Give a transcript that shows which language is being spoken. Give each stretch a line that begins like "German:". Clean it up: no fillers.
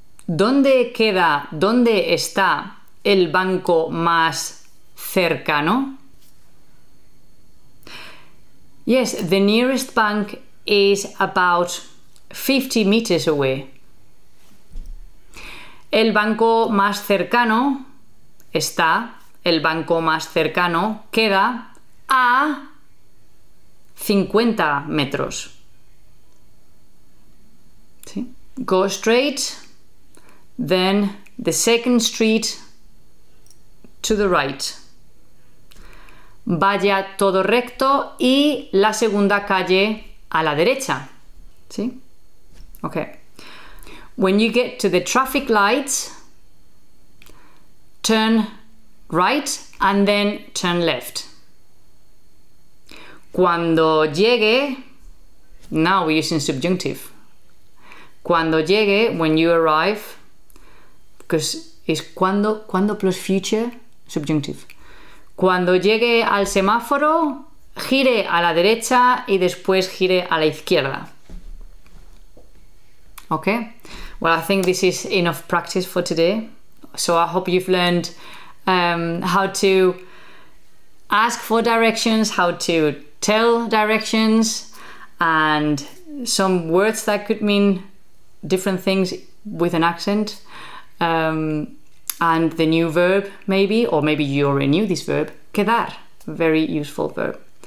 Spanish: ¿Dónde queda, dónde está el banco más cercano?
English: Yes, the nearest bank is about 50 meters away.
Spanish: El banco más cercano está, el banco más cercano queda a 50 metros. ¿Sí?
English: Go straight, then the second street to the right.
Spanish: Vaya todo recto y la segunda calle a la derecha. ¿Sí? Okay.
English: When you get to the traffic lights, turn right and then turn left.
Spanish: Cuando llegue,
English: now we're using subjunctive.
Spanish: Cuando llegue,
English: when you arrive, because it's cuando, cuando plus future, subjunctive.
Spanish: Cuando llegue al semáforo, gire a la derecha y después gire a la izquierda. Okay.
English: Well, I think this is enough practice for today. So I hope you've learned how to ask for directions, how to tell directions, and some words that could mean different things with an accent, and the new verb, maybe, or maybe you already knew this verb, quedar, very useful verb.